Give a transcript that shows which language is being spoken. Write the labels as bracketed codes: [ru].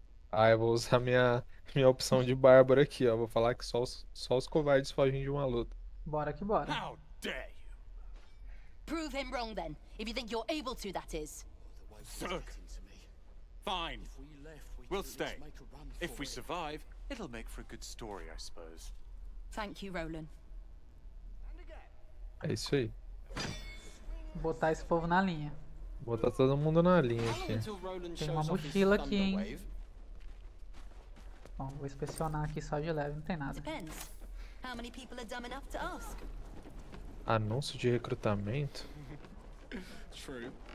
[pt] Ah, eu vou usar minha opção de bárbaro aqui, ó. Vou falar que só os covardes fogem de uma luta. Bora que bora. [en] How dare you? Prove him wrong then, if you think you're able to, that is. Fine. We'll stay. If we survive, it'll make for a good story, I suppose. Thank you, Roland. [pt] É isso aí. Botar esse povo na linha. Botar todo mundo na linha aqui. Tem uma mochila aqui, hein? Bom, vou inspecionar aqui só de leve, não tem nada. [en] Depends. How many people are dumb enough to ask? [pt] Anúncio de recrutamento. [en] True.